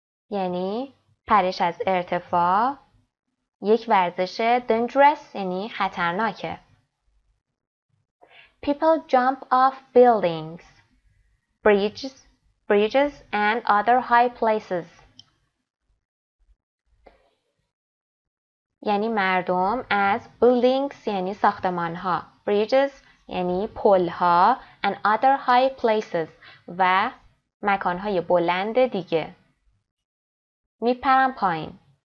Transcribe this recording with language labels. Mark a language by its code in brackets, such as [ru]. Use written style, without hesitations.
[fa] یعنی پرش از ارتفاع یک ورزش dangerous یعنی خطرناکه. [en] People jump off buildings, bridges and other high places. [fa] یعنی مردم از buildings یعنی ساختمان ها, bridges یعنی پل ها, [en] and other high places [fa] و مکان های بلند دیگه میپرن پایین.